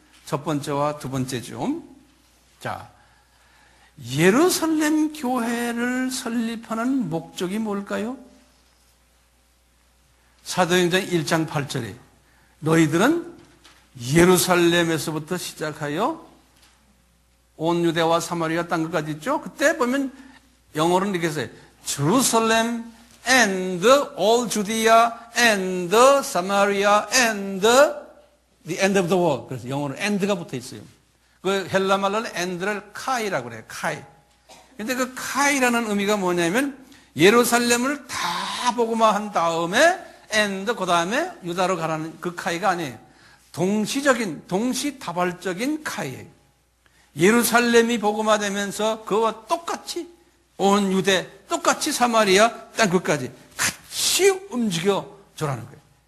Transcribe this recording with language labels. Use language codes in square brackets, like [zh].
[ko] 첫 번째와 두 번째죠. 자, 예루살렘 교회를 설립하는 목적이 뭘까요? 사도행전 1장 8절에 너희들은 예루살렘에서부터 시작하여 온 유대와 사마리아 땅 끝까지 있죠? 그때 보면 영어로는 이렇게 써요. [en] Jerusalem and all Judea and Samaria and the end of the world. [ko] 그래서 영어로 and가 붙어 있어요. 그 헬라말로는 and를 카이라고 해요. 카이. 근데 그 카이라는 의미가 뭐냐면 예루살렘을 다 복음화한 다음에 and 그 다음에 유다로 가라는 그 카이가 아니에요. 동시적인, 동시다발적인 카이예요. 예루살렘이 복음화되면서 그와 똑같이 온 유대, 똑같이 사마리아 땅끝까지 같이 움직여줘라는 거예요.